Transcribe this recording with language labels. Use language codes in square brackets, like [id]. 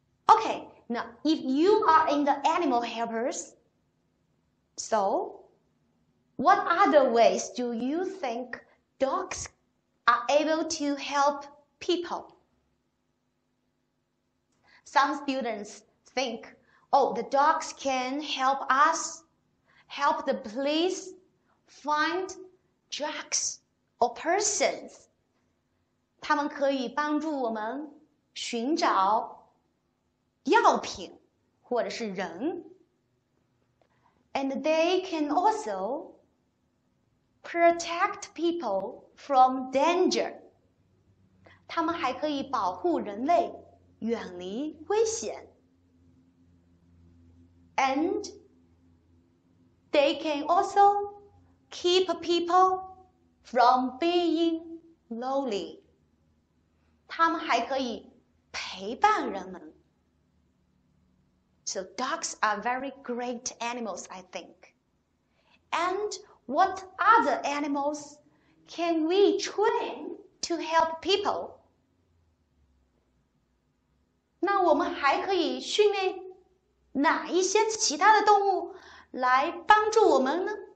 [en] Okay, now if you are in the animal helpers, so what other ways do you think dogs are able to help people? Some students think, oh, the dogs can help us, help the police find drugs or persons. [zh] 他们可以帮助我们寻找药品或者是人。 [en] And they can also protect people from danger. [zh] 他们还可以保护人类远离危险。 [en] And they can also keep people from being lonely. [zh] 他们还可以陪伴人们。 [en] So dogs are very great animals, I think. And what other animals can we train to help people? [zh] 那我们还可以训练哪一些其他的动物来帮助我们呢?